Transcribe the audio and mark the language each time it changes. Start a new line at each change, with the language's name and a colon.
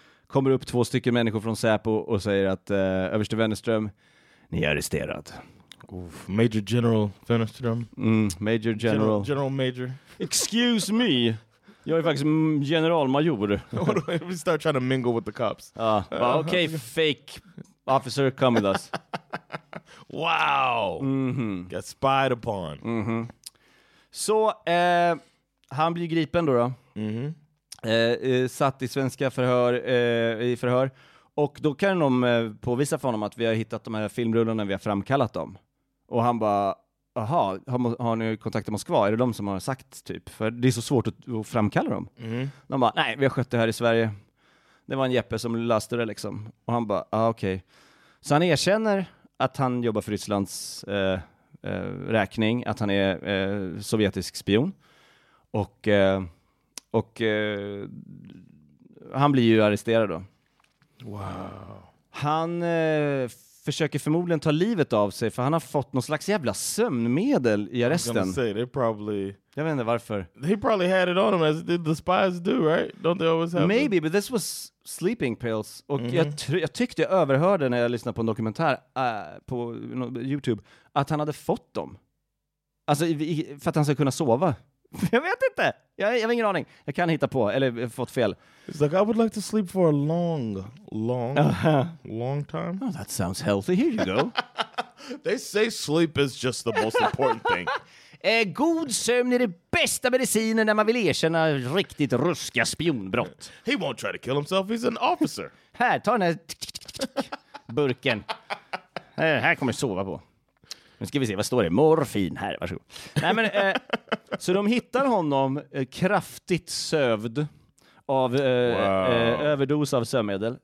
Swedish: Kommer upp 2 stycken människor från Säpo och säger att överste Wennerström, ni är arresterad.
English: Oof, Major General Wennerström. Major General. General Major. Excuse me.
Swedish: Jag är faktiskt generalmajor.
English: We start trying to mingle with the cops. Okay, fake officer, come with us. Wow. Mm-hmm. Got spied upon.
Swedish: Mm-hmm. Så han blir gripen då. Mm-hmm. Satt i svenska förhör i förhör. Och då kan de påvisa för honom att vi har hittat de här filmrullarna, vi har framkallat dem. Och han bara, aha, har ni kontaktat Moskva? Är det de som har sagt typ? För det är så svårt att framkalla dem. Mm. De bara, nej, vi har skött det här i Sverige. Det var en Jeppe som löste det liksom. Och han bara, ah, okej. Så han erkänner att han jobbar för Rysslands räkning, att han är sovjetisk spion. Och han blir ju arresterad då.
English: Wow.
Swedish: Han försöker förmodligen ta livet av sig, för han har fått någon slags jävla sömnmedel i arresten.
English: I'm gonna say, they probably...
Swedish: Jag vet inte varför.
English: They probably had it on him, as the spies do, right? Don't they always have maybe, them? But this was sleeping pills.
Swedish: Och jag tyckte jag överhörde när jag lyssnade på en dokumentär på YouTube att han hade fått dem. Alltså, för att han ska kunna sova. Jag vet inte. Jag har ingen aning. Jag kan hitta på eller fått fel.
English: It's like I would like to sleep for a long, long, long time. Oh, that sounds healthy. Here you go. They say sleep is just the most important thing.
Swedish: God sömn är det bästa medicinen när man vill erkänna riktigt ruska spionbrott.
English: He won't try to kill himself, he's an officer.
Swedish: Här, ta den här burken. Här kommer jag sova på. Nu ska vi se, vad står det? Morfin här, varsågod. Nej, men, så de hittar honom kraftigt sövd av överdos av sömnmedel.